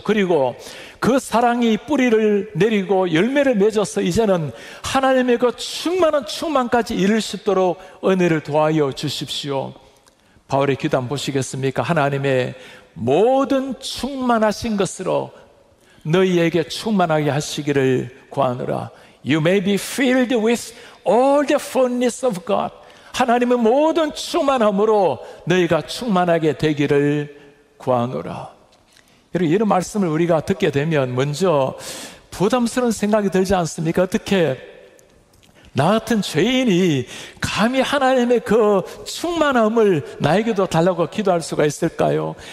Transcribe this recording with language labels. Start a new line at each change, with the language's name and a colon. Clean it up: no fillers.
Korean: 그리고 그 사랑이 뿌리를 내리고 열매를 맺어서 이제는 하나님의 그 충만한 충만까지 이룰 수 있도록 은혜를 도하여 주십시오. 바울의 기도 한번 보시겠습니까? 하나님의 모든 충만하신 것으로 너희에게 충만하게 하시기를 구하느라.
English: You may be filled with all the fullness of God.
Korean: 하나님의 모든 충만함으로 너희가 충만하게 되기를 구하느라. 여러분, 이런 말씀을 우리가 듣게 되면 먼저 부담스러운 생각이 들지 않습니까? 어떻게 나 같은 죄인이 감히 하나님의 그 충만함을 나에게도 달라고 기도할 수가 있을까요?